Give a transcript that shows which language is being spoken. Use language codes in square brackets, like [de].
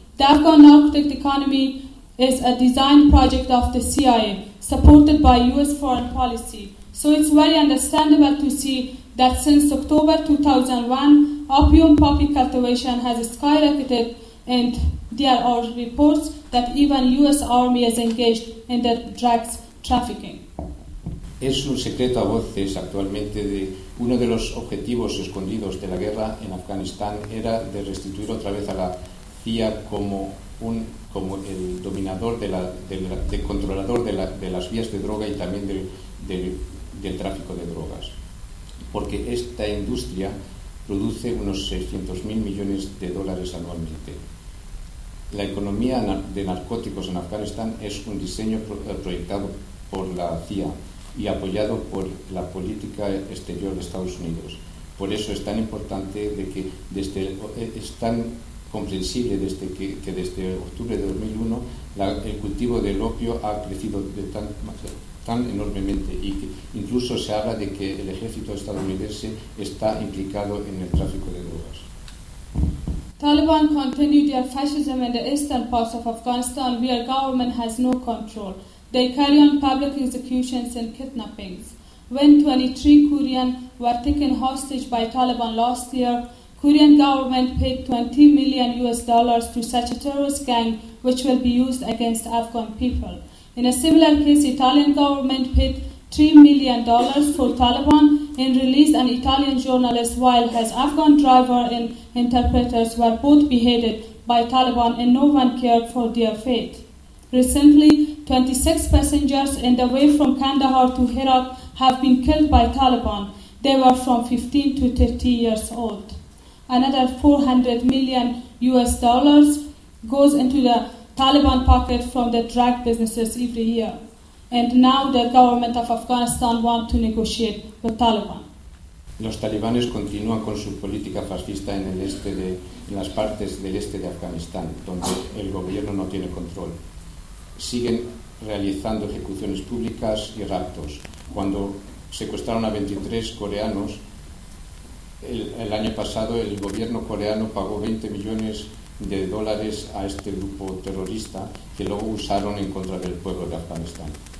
[en] The Afghan narcotic economy is a design project of the CIA, supported by U.S. foreign policy. So it's very understandable to see that since October 2001, opium poppy cultivation has skyrocketed and there are reports that even U.S. Army is engaged in the drugs trafficking. [es] Es un secreto a voces actualmente de uno de los objetivos escondidos de la guerra en Afganistán era de restituir otra vez a la CIA como el dominador controlador de las vías de droga y también del tráfico de drogas. Porque esta industria produce unos 600.000 millones de dólares anualmente. La economía de narcóticos en Afganistán es un diseño proyectado por la CIA y apoyado por la política exterior de Estados Unidos. Por eso es tan importante es tan comprensible desde octubre de 2001 el cultivo del opio ha crecido tan enormemente y que incluso se habla de que el ejército estadounidense está implicado en el tráfico de drogas. [en] Taliban continue their fascism in the eastern parts of Afghanistan where government has no control. They carry on public executions and kidnappings. When 23 Kurian were taken hostage by Taliban last year, Kurian government paid $20 million to such a terrorist gang which will be used against Afghan people. In a similar case, Italian government paid $3 million for Taliban and released an Italian journalist while his Afghan driver and interpreters were both beheaded by Taliban and no one cared for their fate. Recently, 26 passengers in the way from Kandahar to Herat have been killed by Taliban. They were from 15 to 30 years old. another $400 million goes into the Taliban pocket from the drug businesses every year. And now the government of Afghanistan wants to negotiate with Taliban. [es] Los talibanes continúan con su política fascista en el este de en las partes del este de Afganistán, donde el gobierno no tiene control. Siguen realizando ejecuciones públicas y raptos. Cuando secuestraron a 23 coreanos el año pasado, el gobierno coreano pagó 20 millones de dólares a este grupo terrorista que luego usaron en contra del pueblo de Afganistán.